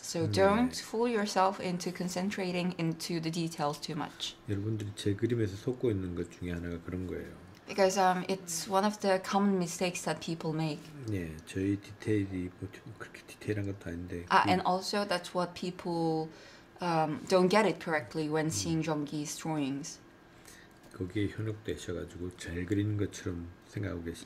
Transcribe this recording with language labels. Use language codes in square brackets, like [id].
[en] So don't fool yourself into concentrating into the details too much. [ko] 여러분들이 제 그림에서 속고 있는 것 중에 하나가 그런 거예요. [en] Because it's one of the common mistakes that people make. [ko] 네, 저희 디테일이 뭐 그렇게 디테일한 것도 아닌데. [en] And also that's what people don't get it correctly when seeing Jong-gi's drawings. [ko] 거기에 현혹되셔가지고 잘 그리는 것처럼 생각하고 계십니다.